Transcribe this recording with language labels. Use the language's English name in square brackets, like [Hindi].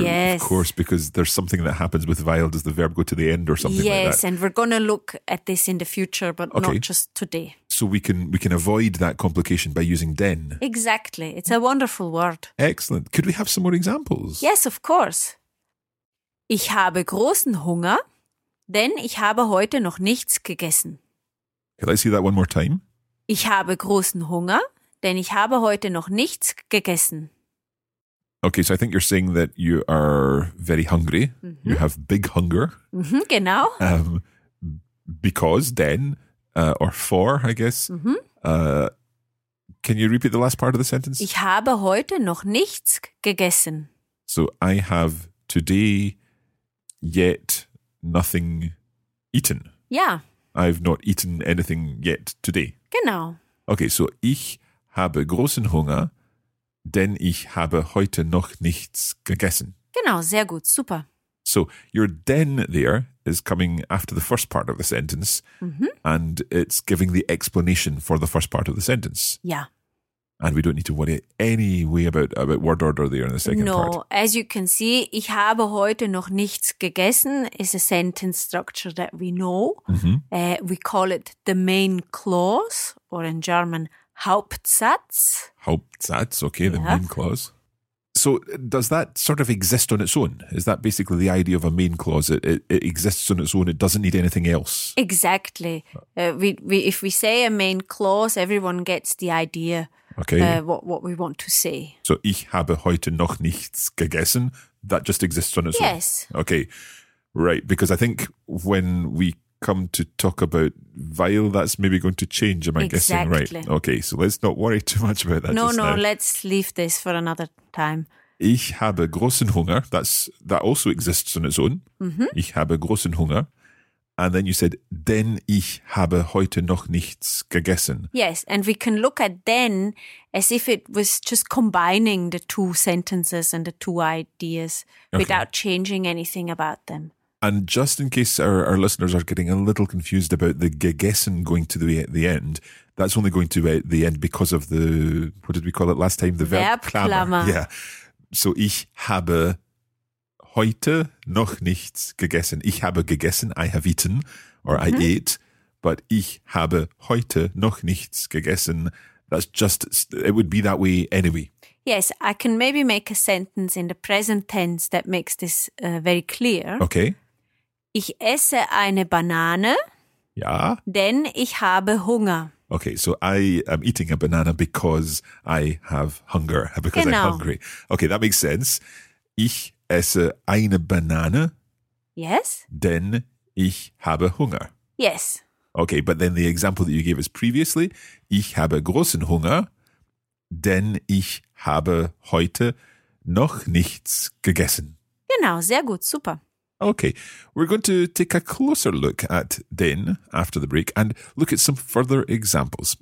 [English] yes. Of course, because there's something that happens with weil. Does the verb go to the end or something like that? Yes, and we're going to look at this in the future, but okay. Not just today. So we can avoid that complication by using den. Exactly. It's a wonderful word. Excellent. Could we have some more examples? Yes, of course. [German] Ich habe großen Hunger, denn ich habe heute noch nichts gegessen. [English] Can I see that one more time? [German] Ich habe großen Hunger, denn ich habe heute noch nichts gegessen. [English] Okay, so I think you're saying that you are very hungry. Mm-hmm. You have big hunger. [German] Mm-hmm, genau. [English] Because, then, or for, I guess. Mm-hmm. Can you repeat the last part of the sentence? [German] Ich habe heute noch nichts gegessen. [English] So I have today yet nothing eaten. Yeah. I've not eaten anything yet today. [German] Genau. Okay, so ich habe großen Hunger. Denn ich habe heute noch nichts gegessen. Genau, sehr gut, super. [English] So, your den there is coming after the first part of the sentence mm-hmm. and it's giving the explanation for the first part of the sentence. Yeah. And we don't need to worry any way about word order there in the second no, part. No, as you can see, [German] ich habe heute noch nichts gegessen [English] is a sentence structure that we know. Mm-hmm. We call it the main clause, or in German, Hauptsatz. Hauptsatz, okay, the main clause. So does that sort of exist on its own? Is that basically the idea of a main clause? It exists on its own, it doesn't need anything else. Exactly. If we say a main clause, everyone gets the idea what we want to say. So [German] ich habe heute noch nichts gegessen, [English] that just exists on its own? Yes. Okay, right, because I think when we come to talk about weil, that's maybe going to change, am I guessing? Right. Okay, so let's not worry too much about that. No, let's leave this for another time. [German] Ich habe großen Hunger. [English] That also exists on its own. Mm-hmm. [German] Ich habe großen Hunger. [English] And then you said, [German] denn ich habe heute noch nichts gegessen. [English] Yes, and we can look at denn as if it was just combining the two sentences and the two ideas without changing anything about them. And just in case our listeners are getting a little confused about the gegessen going to the end, that's only going to the end because of the, what did we call it last time? The [German] Verbklammer. [English] Yeah. [German] So ich habe heute noch nichts gegessen. Ich habe gegessen, [English] I have eaten, or [German] mm-hmm. [English] I ate, but [German] ich habe heute noch nichts gegessen. [English] That's just, it would be that way anyway. Yes, I can maybe make a sentence in the present tense that makes this very clear. Okay. [German] Ich esse eine Banane, ja. Denn ich habe Hunger. [English] Okay, so I am eating a banana because I have hunger, because [German] genau. [English] I'm hungry. Okay, that makes sense. [German] Ich esse eine Banane, [English] yes. [German] Denn ich habe Hunger. [English] Yes. Okay, but then the example that you gave us previously, [German] ich habe großen Hunger, denn ich habe heute noch nichts gegessen. Genau, sehr gut, super. [English] Okay, we're going to take a closer look at den after the break and look at some further examples.